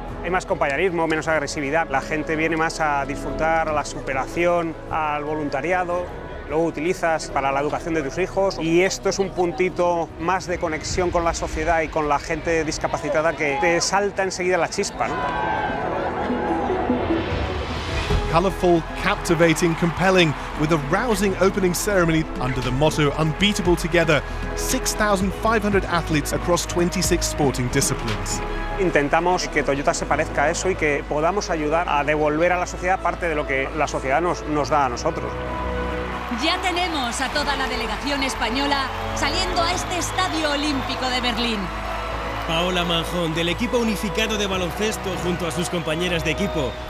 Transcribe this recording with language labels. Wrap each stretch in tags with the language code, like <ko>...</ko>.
<es>Hay más compañerismo, menos agresividad. La gente viene más a disfrutar, a la superación, al voluntariado. Lo utilizas para la educación de tus hijos. Y esto es un puntito más de conexión con la sociedad y con la gente discapacitada que te salta enseguida la chispa, ¿no?</es> <en>Colorful, captivating, compelling, with a rousing opening ceremony under the motto Unbeatable Together, 6,500 athletes across 26 sporting disciplines.</en> <es>Intentamos que Toyota se parezca a eso y que podamos ayudar a devolver a la sociedad parte de lo que la sociedad nos da a nosotros. Ya tenemos a toda la delegación española saliendo a este Estadio Olímpico de Berlín. Paola Manjón, del equipo unificado de baloncesto, junto a sus compañeras de equipo.</es>